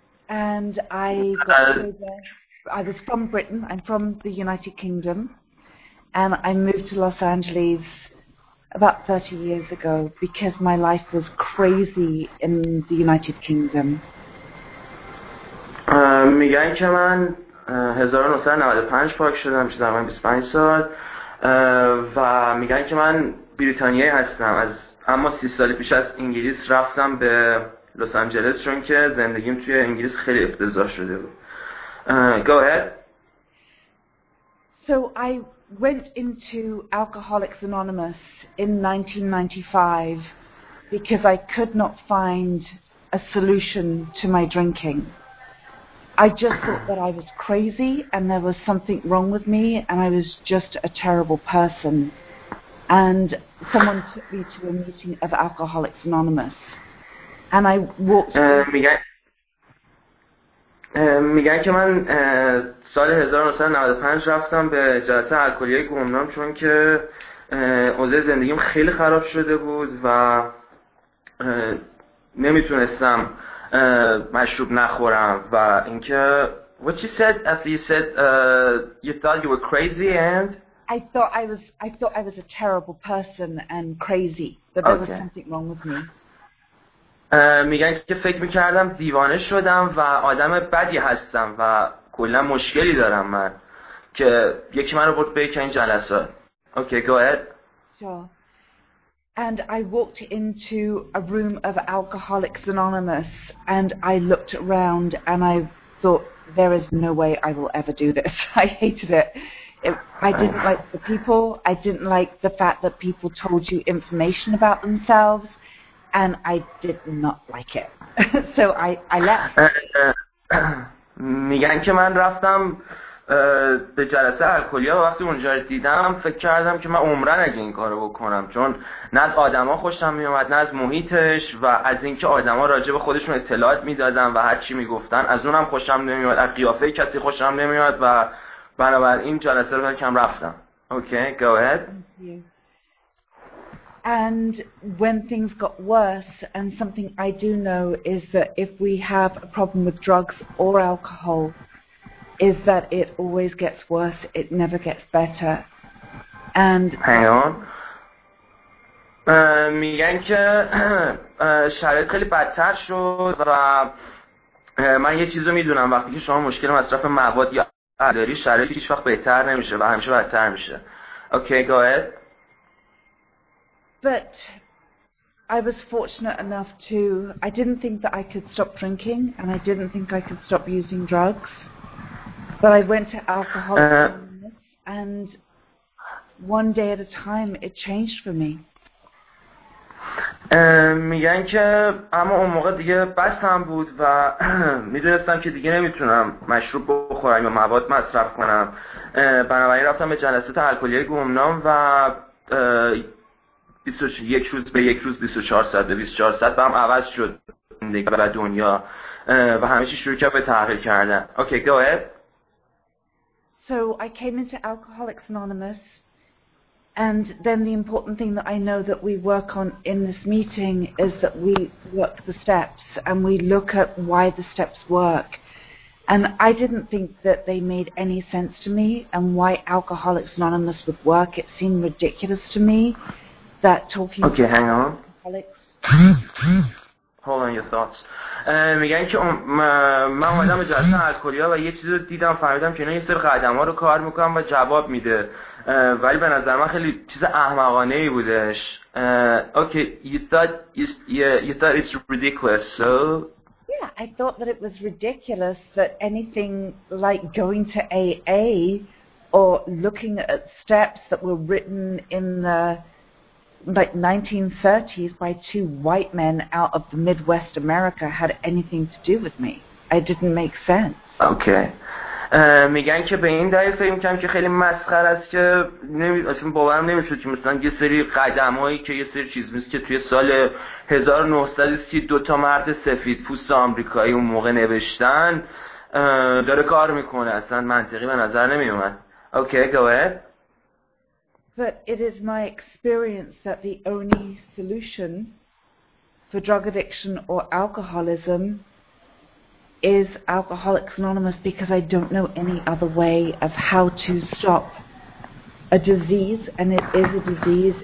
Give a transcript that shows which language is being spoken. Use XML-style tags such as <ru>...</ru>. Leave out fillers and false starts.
<en>And I got sober. I was from Britain. I'm from the United Kingdom. And I moved to Los Angeles about 30 years ago because my life was crazy in the United Kingdom.</en> <fa>میگن که من 1995 پاک شدم، چه دارم 25 سال. و میگن که من بریتانیایی هستم، از اما 30 سال پیش از انگلیس رفتم به لس آنجلس، چون که زندگیم توی انگلیس خیلی افتضاح شده بود.</fa> <en>Go ahead. So I went into Alcoholics Anonymous in 1995 because I could not find a solution to my drinking. I just thought that I was crazy and there was something wrong with me and I was just a terrible person. And someone took me to a meeting of Alcoholics Anonymous. And I walked...</en> <fa>میگن که من سال 1995 رفتم به جلسه الکلیه گمنام، چون که اوضاع زندگیم خیلی خراب شده بود و نمیتونستم مشروب نخورم. و اینکه</fa> <en>what you said after you said you thought you were crazy and I thought I was a terrible person and crazy that there okay. was something wrong with me.</en> <fa>میگن که فکر میکردم دیوانه شدم و آدم بدی هستم و کلا مشکلی دارم من، که یکی منو برد به یک این جلسه.</fa> <en>Okay, go ahead. Sure. And I walked into a room of Alcoholics Anonymous and I looked around and I thought, there is no way I will ever do this. I hated it. I didn't like the people. I didn't like the fact that people told you information about themselves. And I did not like it. So I left.</en> <fa>میگن که من رفتم به جلسه الکلی ها، وقتی اونجا رو دیدم فکر کردم که من عمرن اگه این کارو بکنم، چون نه از آدم ها خوشم میومد نه از محیطش، و از اینکه آدم ها راجع به خودشون اطلاعات میدادن و هر چی میگفتن از اونم خوشم نمیومد، از قیافه کسی خوشم نمیومد، و بنابراین جلسه رو کم رفتم.</fa> <en>Okay okay, go ahead. And when things got worse, and something I do know is that if we have a problem with drugs or alcohol, is that it always gets worse, it never gets better. And hang on.</en> <fa>میگن که شرایط خیلی بدتر شد و من یه چیزو میدونم، وقتی که شما مشکل مصرف مواد یا اداری، شرایط هیچ وقت بهتر نمیشه و همیشه بدتر میشه.</fa> <en>Okay, go ahead. But I was fortunate enough to, I didn't think that I could stop drinking and I didn't think I could stop using drugs. But I went to alcohol and one day at a time it changed for me.</en> <fa>میگن که اما اون موقع دیگه بستم بود و میدونستم که دیگه نمیتونم مشروب بخورم یا مواد مصرف کنم. بنابراین رفتم به جلسه الکلی گمنام و یک روز به یک روز 24 ساعت به 24 ساعت برام عوض شد زندگی و دنیا و همه چی شروع کرد به تغییر کردن.</fa> <en>Okay go ahead. So I came into Alcoholics Anonymous, and then the important thing that I know that we work on in this meeting is that we work the steps and we look at why the steps work. And I didn't think that they made any sense to me, and why Alcoholics Anonymous would work, it seemed ridiculous to me that talking okay, hang on. Alcoholics. Hold on your thoughts.</en> <fa>میگن که من اومدم به جلسه الکلیا و یه چیزی رو دیدم، فهمیدم که اینا یه سری قدم‌ها رو کار میکنم و جواب میده، ولی به نظر من خیلی چیز احمقانه ای بودش.</fa> <en>you thought it's ridiculous. So yeah, I thought that it was ridiculous that anything like going to AA or looking at steps that were written in the like 1930s by two white men out of the Midwest America had anything to do with me. It didn't make sense. Okay.</en> <fa>میگن که به این دلیل فکر میکنم که خیلی مسخره است که اصلا باورم نمیشد که مثلا یه سری قدمایی که یه سری چیز میشه که توی سال 1930 دو تا مرد سفید پوست آمریکایی اون موقع نوشتن داره کار میکنه، اصلا منطقی به نظر نمیومد.</fa> <en>Okay, go ahead. But it is my experience that the only solution for drug addiction or alcoholism is Alcoholics Anonymous, because I don't know any other way of how to stop a disease, and it is a disease.</en>